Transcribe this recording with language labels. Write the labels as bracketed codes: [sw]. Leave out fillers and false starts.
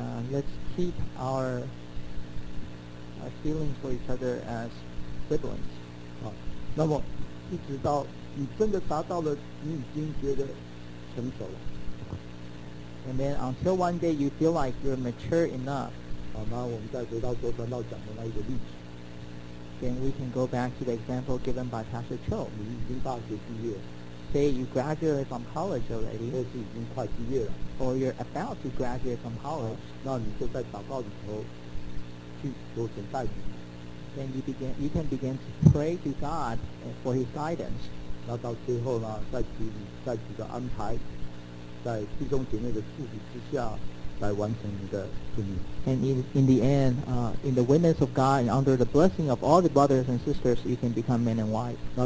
[en] Let's keep our feelings for each other as siblings. [zh] 那么一直到你真的达到了你已经觉得成熟了。 [en] And then until one day you feel like you're mature enough, [zh] 好，那我们再回到周传道讲的那一个例子。 [en] Then we can go back to the example given by Pastor Cho. [zh] 你已经大学毕业, [en] say you graduated from college already, [zh] 或是已经快毕业了, [en] or you're about to graduate from college, [zh] 那你就在祷告里头去求神带领。 [en] Then you can begin to pray to God for His guidance. [zh] 那到最后呢，在主的安排。 [en] And in the end, in the witness of God and under the blessing of all the brothers and sisters, you can become man and wife.